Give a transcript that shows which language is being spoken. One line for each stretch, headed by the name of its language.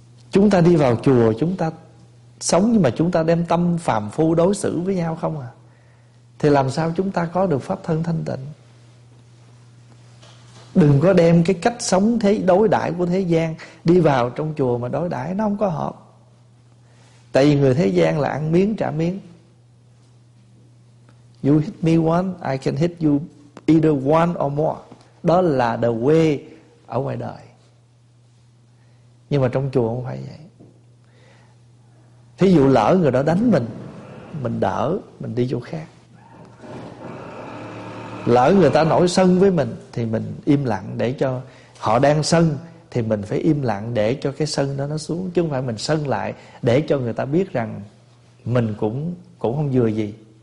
Vietnamese: Chúng ta đi vào chùa, chúng ta sống, nhưng mà chúng ta đem tâm phàm phu đối xử với nhau không à, thì làm sao chúng ta có được pháp thân thanh tịnh? Đừng có đem cái cách sống thế đối đãi của thế gian đi vào trong chùa mà đối đãi, nó không có hợp. Tại vì người thế gian là ăn miếng trả miếng.
English: You hit me one, I can hit you either one or more.
Vietnamese: Đó là
English: the way
Vietnamese: ở ngoài đời. Nhưng mà trong chùa không phải vậy. Thí dụ lỡ người đó đánh mình đỡ, mình đi chỗ khác. Lỡ người ta nổi sân với mình thì mình im lặng, để cho họ đang sân thì mình phải im lặng để cho cái sân đó nó xuống, chứ không phải mình sân lại để cho người ta biết rằng mình cũng không vừa gì.